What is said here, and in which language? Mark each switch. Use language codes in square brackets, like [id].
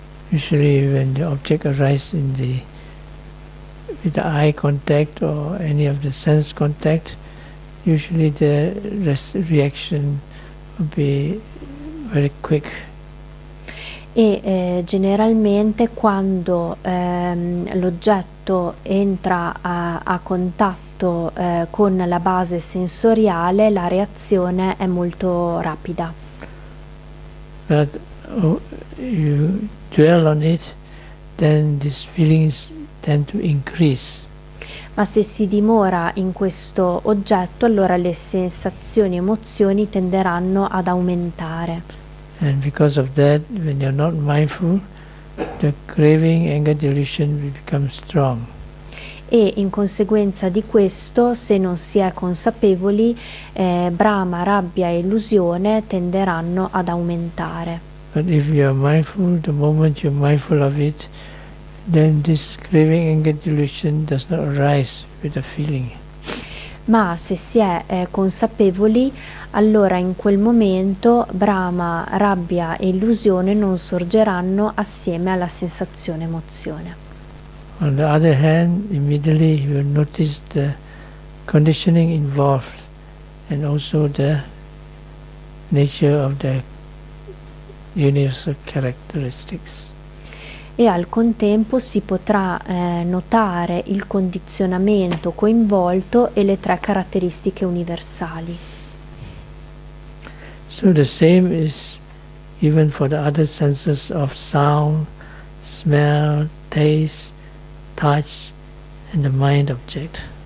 [en] Usually when the object arises in the with the eye contact or any of the sense contact, usually the reaction will be very quick. [it] E generalmente quando l'oggetto entra a contatto con la base sensoriale, la reazione è molto rapida. [en] But you dwell on it, then these feelings tend to increase. [it] Ma se si dimora in questo oggetto, allora le sensazioni e emozioni tenderanno ad aumentare. [en] And because of that, when you're not mindful, the craving, anger, delusion will become strong. [it] E in conseguenza di questo, se non si è consapevoli, brama, rabbia e illusione tenderanno ad aumentare. [en] But if you are mindful, the moment you're mindful of it, then this craving, anger, delusion does not arise with the feeling. [it] Ma se si è consapevoli, allora in quel momento brama, rabbia e illusione non sorgeranno assieme alla sensazione emozione. [en] On the other hand, immediately you will notice the conditioning involved and also the nature of the universal characteristics. [it] E al contempo si potrà notare il condizionamento coinvolto e le tre caratteristiche universali. [en] So the same is even for the other senses of sound, smell, taste, touch and the mind object.